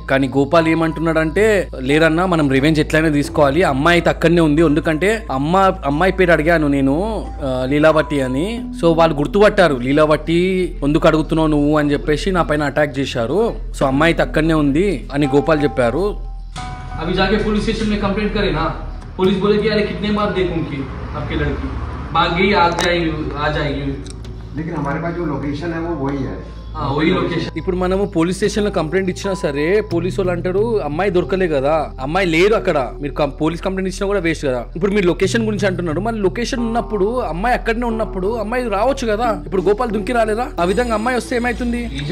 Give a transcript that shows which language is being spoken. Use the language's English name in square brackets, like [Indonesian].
[Telugu] కానీ గోపాల్ ఏమంటున్నాడంటే, లేదన్నా మనం రివెంజ్ ఎట్లయినా తీసుకోవాలి. అమ్మాయి అయితే అక్కడనే ఉంది. ఎందుకంటే అమ్మాయి పేరు అడిగాను నేను లీలావట్టి అని. సో వాళ్ళు గుర్తుపట్టారు లీలావట్టి ఎందుకు అడుగుతున్నావు నువ్వు అని చెప్పేసి నా పైన అటాక్ చేశారు. సో అమ్మాయి అయితే అక్కడనే ఉంది అని గోపాల్ చెప్పారు. [Hindi] अभी जाके पुलिस स्टेशन में कंप्लेंट करे ना. पुलिस बोलेगी अरे कितने बार देखूंगी आपकी लड़की भाग गई आ जाएगी. लेकिन हमारे पास जो लोकेशन है वो वही है. [Telugu] ఇప్పుడు మనము పోలీస్ స్టేషన్ లో కంప్లైంట్ ఇచ్చినా సరే పోలీసు వాళ్ళు అంటారు అమ్మాయి దొరకలే కదా, అమ్మాయి లేదు అక్కడ. మీరు పోలీస్ కంప్లైంట్ ఇచ్చినా కూడా వేస్ట్ కదా. ఇప్పుడు మీరు లొకేషన్ గురించి అంటున్నారు. మన లొకేషన్ ఉన్నప్పుడు అమ్మాయి అక్కడనే ఉన్నప్పుడు అమ్మాయి రావచ్చు కదా. ఇప్పుడు గోపాల్ దుంకి రాలేదా? ఆ విధంగా అమ్మాయి వస్తే ఏమైతుంది?